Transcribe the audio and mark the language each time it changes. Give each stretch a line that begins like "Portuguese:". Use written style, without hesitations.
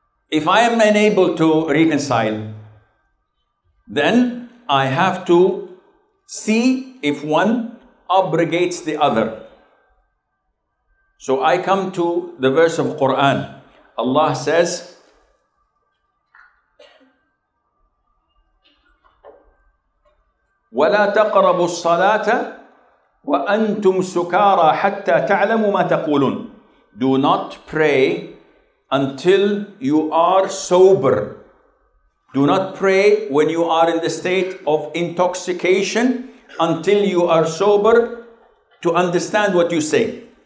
English: If I am unable to reconcile, then I have to see if one abrogates the other. So I come to the verse of Quran. Allah says,
Arabic: وَلَا تَقْرَبُوا الصَّلَاةَ وَأَنْتُمْ سُكَارَى حَتَّى تَعْلَمُوا مَا تَقُولُونَ.
English: Do not pray until you are sober. Do not pray when you are in the state of intoxication until you are sober to understand what you say.